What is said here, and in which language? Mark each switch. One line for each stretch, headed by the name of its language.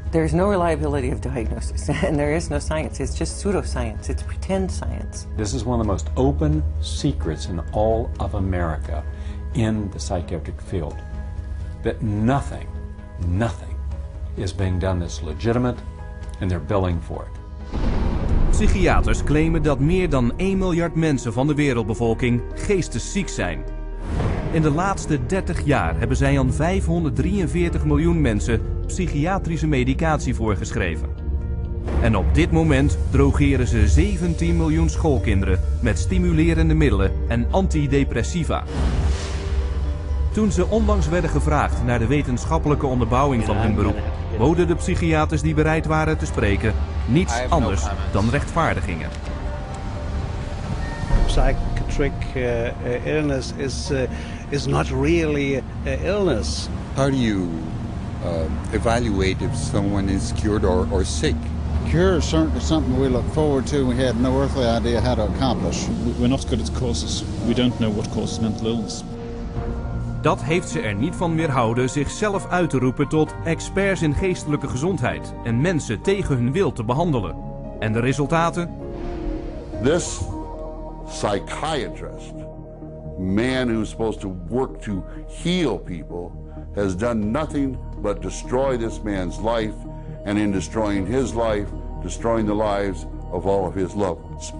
English: There is no reliability of diagnosis, and there is no science. It's just pseudoscience. It's pretend science. This is one of the most open secrets in all of America in the psychiatric field, that nothing, is being done that's legitimate, and they're billing for it.
Dutch: Psychiaters claimen dat meer dan 1 miljard mensen van de wereldbevolking geestesziek zijn. In de laatste 30 jaar hebben zij aan 543 miljoen mensen psychiatrische medicatie voorgeschreven. En op dit moment drogeren ze 17 miljoen schoolkinderen met stimulerende middelen en antidepressiva. Toen ze onlangs werden gevraagd naar de wetenschappelijke onderbouwing van hun beroep, boden de psychiaters die bereid waren te spreken niets anders dan rechtvaardigingen.
English: Psychiatric illness is not really an illness. How do you evaluate if someone is cured or sick? Cure is certainly something we look forward to and we had no earthly idea how to accomplish. We're not good at causes. We don't know what causes mental illness.
Dutch: Dat heeft ze er niet van weerhouden zichzelf uit te roepen tot experts in geestelijke gezondheid en mensen tegen hun wil te behandelen. En de resultaten?
English: This psychiatrist, man who's supposed to work to heal people, has done nothing but destroy this man's life, and in destroying his life, destroying the lives of all of his loved ones.